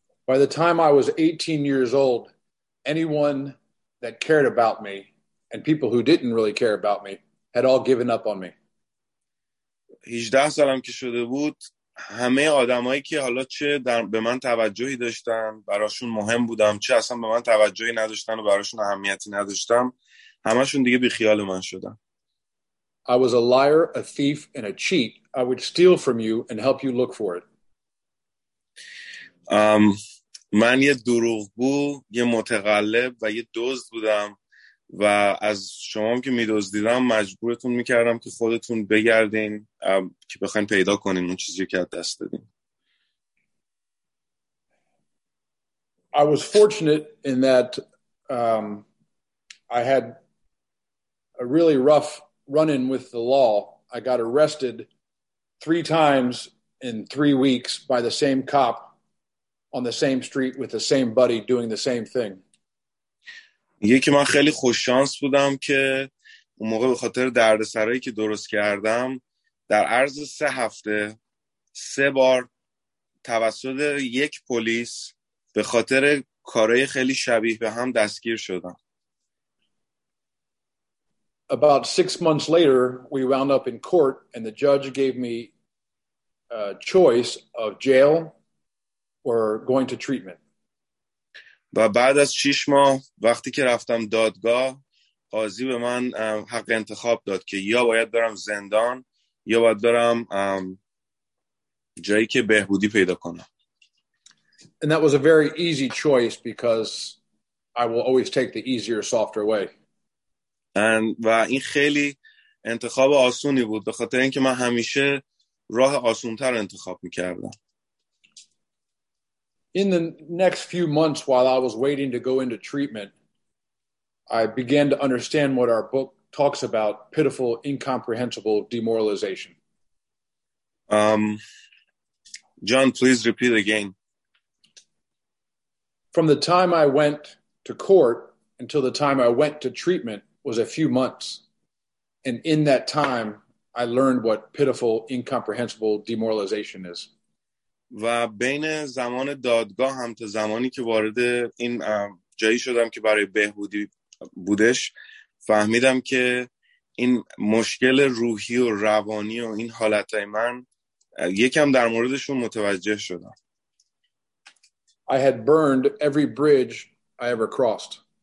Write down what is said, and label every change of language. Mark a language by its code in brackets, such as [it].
[en] By the time I was 18 years old, anyone that cared about me and people who didn't really care about me had all given up on me. [fa] 18 سالم که شده بود، همه آدمایی که حالا چه به من توجهی داشتن، براشون مهم بودم، چه اصلا به من توجهی نداشتن و براشون اهمیتی نداشتم، همشون دیگه بی خیال من شدن. [en] I was a liar, a thief and a cheat. I would steal from you and help you look for it. [fa] من یه دروغگو، یه متقلب و یه دزد بودم و از شما هم که میدزدیدم مجبورتون میکردم که خودتون بگردین که بخواین پیدا کنین اون چیزی که از دست دادین. [en] I was fortunate in that I had a really rough run-in with the law. I got arrested 3 times in 3 weeks by the same cop on the same street with the same buddy doing the same thing. [fa] میگه که من خیلی خوششانس بودم که اون موقع به خاطر دردسرایی که درست کردم در عرض 3 هفته 3 بار توسط یک پلیس به خاطر کارهای خیلی شبیه به هم دستگیر شدم. [en] About 6 months later, we wound up in court and the judge gave me a choice of jail or going to treatment. [fa] و بعد از 6 ماه وقتی که رفتم دادگاه قاضی به من حق انتخاب داد که یا باید برم زندان یا باید برم جایی که بهبودی پیدا کنم. [en] And that was a very easy choice because I will always take the easier, softer way. [fa] و این خیلی انتخاب آسونی بود به خاطر اینکه من همیشه راه آسونتر انتخاب میکردم. [en] In the next few months while I was waiting to go into treatment, I began to understand what our book talks about, pitiful, incomprehensible demoralization. John, please repeat again. From the time I went to court until the time I went to treatment was a few months. And in that time, I learned what pitiful, incomprehensible demoralization is. [fa] و بین زمان دادگاه هم تا زمانی که وارد این جایی شدم که برای بهبودی بودش فهمیدم که این مشکل روحی و روانی و این حالتای من یکم در موردشون متوجه شدم. [en] I had burned every bridge I ever crossed.